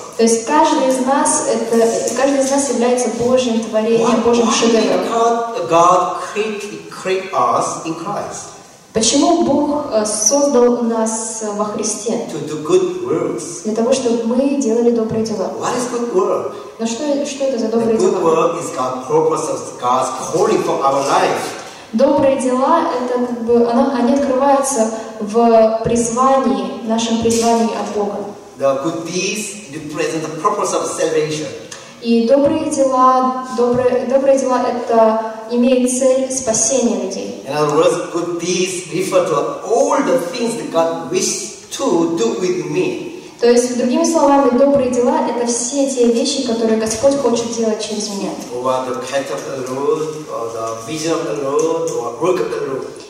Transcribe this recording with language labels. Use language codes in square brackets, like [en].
[ru] То есть каждый из нас это каждый из нас является Божьим творением, Божьим шедевром. [en] Why did God create us in Christ? [ru] Почему Бог создал нас во Христе? [en] To do good works. [ru] Для того, чтобы мы делали добрые дела. [en] What is good work? [ru] Но что это за добрые дела? [en] The good work is God's purpose of God's calling for our life. [ru] Добрые дела это как бы они открываются в призвании, в нашем призвании от Бога. [en] The good deeds represent the purpose of salvation. [ru] И добрые дела это имеет цель спасения людей. [en] In other words, good deeds refer to all the things that God wishes to do with me. [ru] То есть, другими словами, добрые дела это все те вещи, которые Господь хочет делать через меня. [en] Or the path of the road, or the vision of the road, or work of the road.